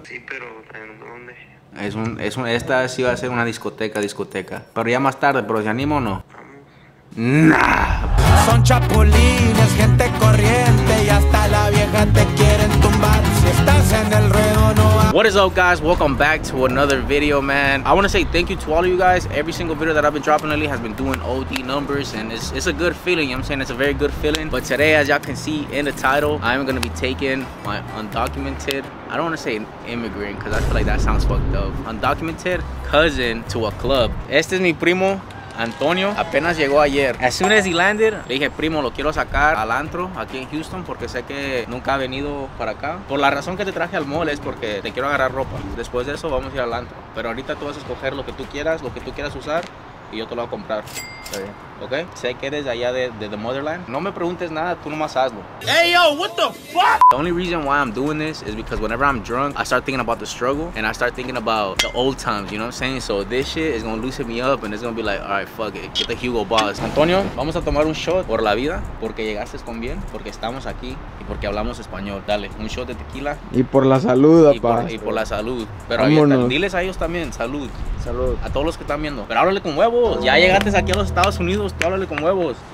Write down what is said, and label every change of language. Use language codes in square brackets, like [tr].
[es] Sí, pero ¿en dónde? Esta sí va a ser una discoteca. Pero ya más tarde, ¿pero se anima o no? ¡Nah! Son chapulines, gente corriente, y hasta la vieja te quieren tumbar. Si estás en el ruedo, no va. [en] What is up, guys? Welcome back to another video, man. I want to say thank you to all of you guys. Every single video that I've been dropping lately has been doing OD numbers, and it's a good feeling, you know what I'm saying? It's a very good feeling. But today, as y'all can see in the title, I'm going to be taking my undocumented, I don't want to say immigrant, because I feel like that sounds fucked up, undocumented cousin to a club. [es] Este es mi primo. Antonio apenas llegó ayer. [en] As soon as he landed, [es] le dije, primo, lo quiero sacar al antro aquí en Houston porque sé que nunca ha venido para acá. Por la razón que te traje al mall es porque te quiero agarrar ropa. Después de eso vamos a ir al antro. Pero ahorita tú vas a escoger lo que tú quieras usar y yo te lo voy a comprar. Ok, sé que eres allá de [en] the motherland. [es] No me preguntes nada, tú nomás hazlo. [en] Hey, yo, what the fuck? The only reason why I'm doing this is because whenever I'm drunk, I start thinking about the struggle and I start thinking about the old times, you know what I'm saying? So this shit is gonna loosen me up and it's gonna be like, alright, fuck it, get the Hugo Boss. [es] Antonio, vamos a tomar un shot por la vida, porque llegaste con bien, porque estamos aquí y porque hablamos español. Dale, un shot de tequila. Y por la salud, papá. Y por la salud. Pero vámonos. Ahí está. Diles a ellos también, salud. Salud. A todos los que están viendo. Pero háblale con huevos. Ya llegaste aquí a los Estados Unidos, tú háblale con huevos.